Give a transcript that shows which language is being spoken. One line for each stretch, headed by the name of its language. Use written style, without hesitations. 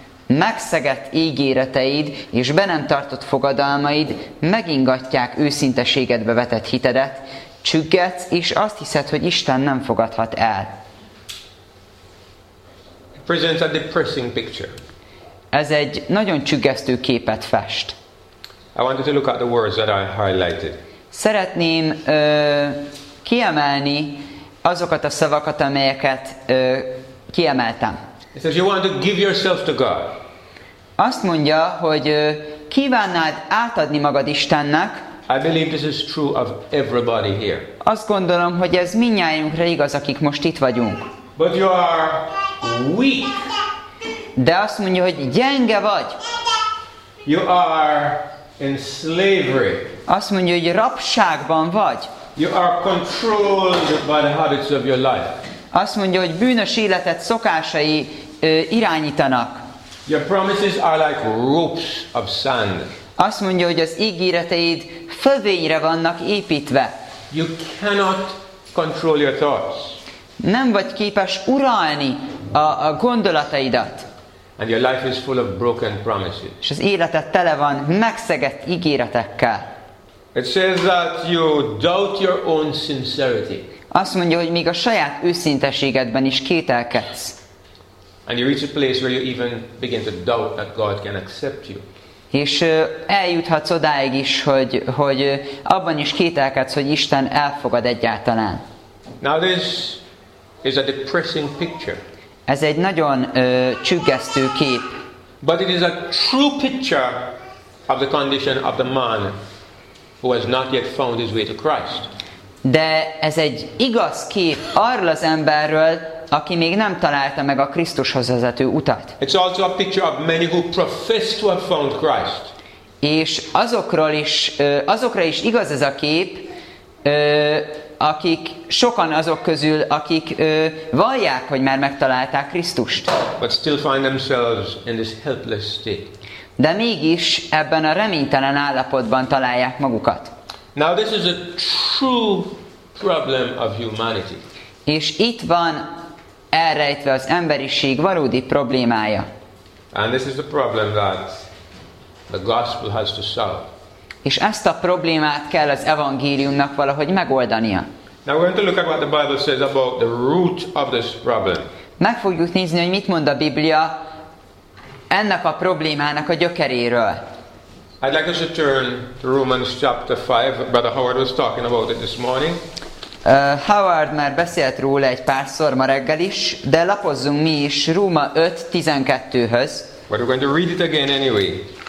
Hungarian: Megszegett ígéreteid és be nem tartott fogadalmaid megingatják őszinteségedbe vetett hitedet. Csüggetsz és azt hiszed, hogy Isten nem fogadhat el.
English: Presents a depressing picture.
Hungarian: Ez egy nagyon csüggesztő képet fest.
English: I wanted to look at the words that I highlighted.
Hungarian: Szeretném kiemelni azokat a szavakat, amelyeket kiemeltem.
English: It says you want to give yourself to God.
Hungarian: Azt mondja, hogy kívánnád átadni magad Istennek.
English: I believe this is true of everybody here.
Hungarian: Azt gondolom, hogy ez mindnyájunkra igaz, akik most itt vagyunk.
English: But you are weak.
Hungarian: De azt mondja, hogy gyenge vagy.
English: You are in slavery.
Hungarian: Azt mondja, hogy rabságban vagy.
English: You are controlled by the habits of your life.
Hungarian: Azt mondja, hogy bűnös életet szokásai irányítanak.
English: Your promises are like ropes of sand.
Hungarian: Azt mondja, hogy az ígéreteid fövényre vannak építve.
English: You cannot control your thoughts.
Hungarian: Nem vagy képes uralni a gondolataidat.
English: And your life is full of broken promises.
Hungarian: És az életed tele van megszegett ígéretekkel.
English: It says that you doubt your own sincerity.
Hungarian: Azt mondja, hogy még a saját őszinteségedben is kételkedsz.
English: And you reach a place where you even begin to doubt that God can accept you.
Hungarian: És eljuthatsz odáig is, hogy abban is kételkedsz, hogy Isten elfogad egyáltalán.
English: Now this is a depressing picture.
Hungarian: Ez egy nagyon csüggesztő kép.
English: But it is a true picture of the condition of the man who has not yet found his way to Christ.
Hungarian: De ez egy igaz kép arról az emberről, aki még nem találta meg a Krisztushoz vezető utat.
English: It's also a picture of many who profess to have found Christ.
Hungarian: És azokra is igaz ez a kép, akik sokan azok közül, akik vallják, hogy már megtalálták Krisztust.
English: But still find themselves in this helpless state.
Hungarian: De mégis ebben a reménytelen állapotban találják magukat.
English: Now this is a true problem of humanity.
Hungarian: És itt van elrejtve az emberiség valódi problémája.
English: And this is the problem that the gospel has to solve.
Hungarian: És ezt a problémát kell az evangéliumnak valahogy megoldania.
English: Now we're going to look at what the Bible says about the root of this problem.
Hungarian: Meg fogjuk nézni, hogy mit mond a Biblia ennek a problémának a gyökeréről.
English: I'd like us to turn to Romans chapter 5. Brother Howard was talking about it this morning.
Hungarian: Howard már beszélt róla egy párszor ma reggel is, de lapozzunk mi is Róma 5:12-höz.
English: But we're going to read it again anyway.